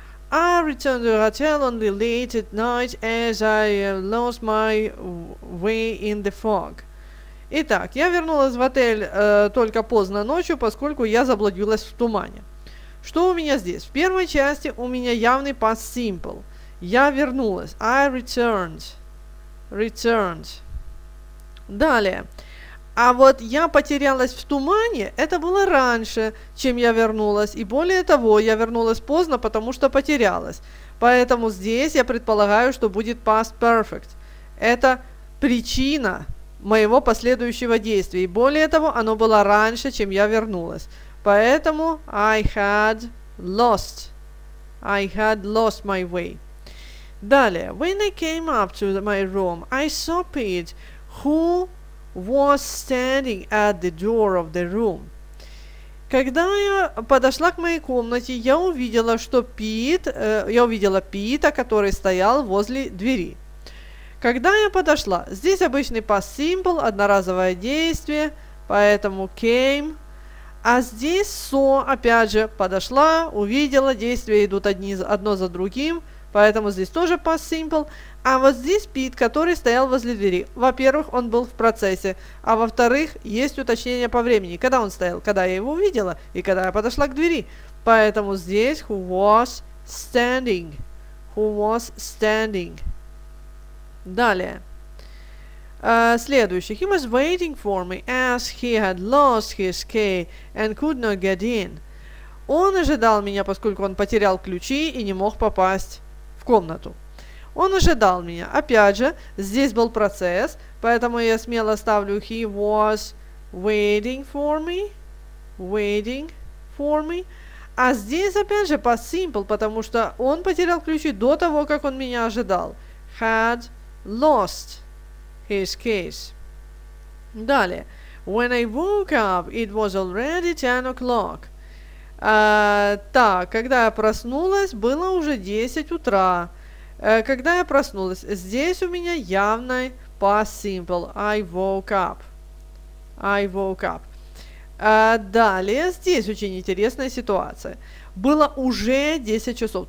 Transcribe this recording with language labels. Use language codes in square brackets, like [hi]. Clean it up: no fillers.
[en] I returned to the hotel only late at night as I lost my way in the fog. [ru] Итак, я вернулась в отель только поздно ночью, поскольку я заблудилась в тумане. Что у меня здесь? В первой части у меня явный past simple. Я вернулась. [en] I returned. Returned. [ru] Далее. А вот я потерялась в тумане, это было раньше, чем я вернулась. И более того, я вернулась поздно, потому что потерялась. Поэтому здесь я предполагаю, что будет past perfect. Это причина моего последующего действия. И более того, оно было раньше, чем я вернулась. Поэтому [en] I had lost my way. [ru] Далее. [en] When I came up to my room, I saw Pete, who was standing at the door of the room. [ru] Когда я подошла к моей комнате, я увидела, что Пит, я увидела Пита, который стоял возле двери. Когда я подошла, здесь обычный past simple, одноразовое действие, поэтому came. А здесь saw, опять же, подошла, увидела, действия идут одно за другим, поэтому здесь тоже past simple. А вот здесь Пит, который стоял возле двери. Во-первых, он был в процессе. А во-вторых, есть уточнение по времени. Когда он стоял? Когда я его увидела. И когда я подошла к двери. Поэтому здесь [en] who was standing. Who was standing. [ru] Далее. Следующий. [en] He was waiting for me as he had lost his key and could not get in. [ru] Он ожидал меня, поскольку он потерял ключи и не мог попасть в комнату. Он ожидал меня. Опять же, здесь был процесс, поэтому я смело ставлю [en] he was waiting for me. Waiting for me. [ru] А здесь опять же past simple, потому что он потерял ключи до того, как он меня ожидал. [en] Had lost his keys. [ru] Далее. [en] When I woke up, it was already 10 o'clock. [ru] Так, когда я проснулась, было уже 10 утра. Когда я проснулась, здесь у меня явный past simple. [en] I woke up. I woke up. [ru] Далее, здесь очень интересная ситуация. Было уже 10 часов.